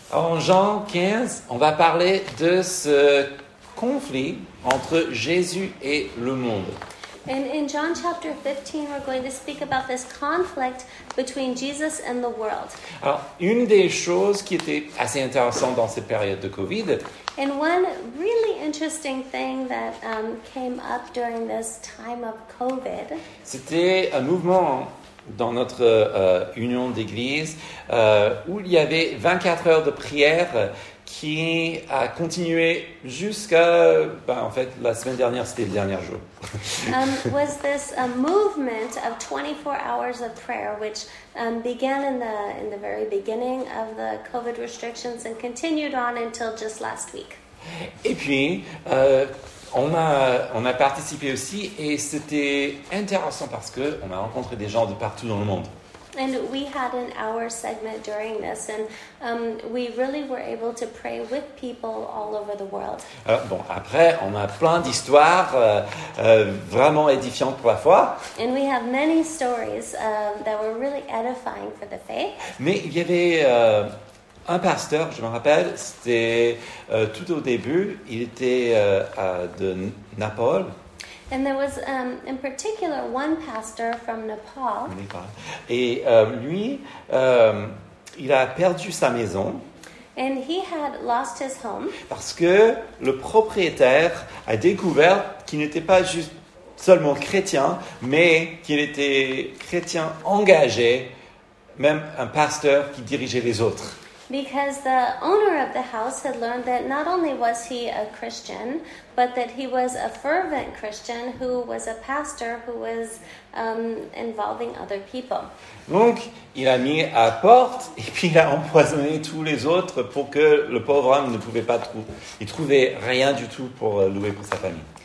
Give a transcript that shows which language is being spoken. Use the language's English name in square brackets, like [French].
[French] En Jean 15, on va parler de ce conflit entre Jésus et le monde. [English] And in John chapter 15, we're going to speak about this conflict between Jesus and the world. [French] Alors, une des choses qui était assez intéressante dans cette période de COVID. [English] And one really interesting thing that came up during this time of COVID. [French] C'était un mouvement dans notre union d'église où il y avait 24 heures de prière qui a continué jusqu'à, ben, en fait, la semaine dernière, c'était le dernier jour. [English] Was this a movement of 24 hours of prayer, which began in the very beginning of the COVID restrictions and continued on until just last week. [French] Et puis, on a participé aussi et c'était intéressant parce qu'on a rencontré des gens de partout dans le monde. [English] And we had an hour segment during this, and we really were able to pray with people all over the world. [French] Bon, après, on a plein d'histoires vraiment édifiantes pour la foi. [English] And we have many stories that were really edifying for the faith. [French] Mais il y avait un pasteur, je me rappelle, c'était tout au début, il était de Naples. [English] And there was, in particular, one pastor from Nepal. [French] Et lui, il a perdu sa maison. [English] And he had lost his home. [French] Parce que le propriétaire a découvert qu'il n'était pas juste seulement chrétien, mais qu'il était chrétien engagé, même un pasteur qui dirigeait les autres. [English] Because the owner of the house had learned that not only was he a Christian, but that he was a fervent Christian who was a pastor who was involving other people. [French] Donc, il a mis à porte et puis il a empoisonné tous les autres pour que le pauvre homme ne pouvait pas trouver, il trouvait rien du tout pour louer pour sa famille.